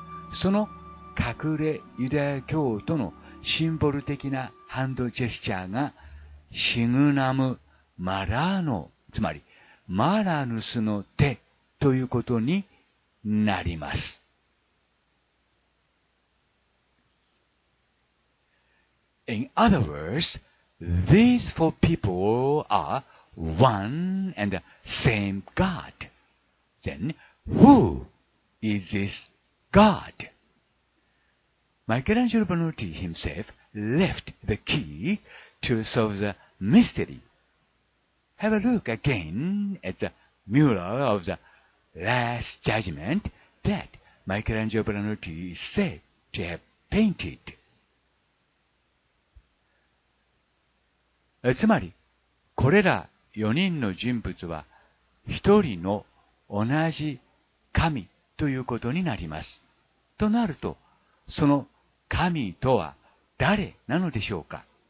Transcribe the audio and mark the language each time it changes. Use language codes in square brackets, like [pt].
[ja] その隠れユダヤ教徒のシンボル的なハンドジェスチャーがシグナムマラーノ、つまりマラヌスの手ということになります。 [en] In other words, these four people are one and the same God. Then, who is this God? Michelangelo Buonarroti himself left the key to solve the mysteryHave a look again at the mural of the Last Judgment that Michelangelo Buonarroti is said to have painted. [ja] つまり、これら4人の人物は一人の同じ神ということになります。となると、その神とは誰なのでしょうか。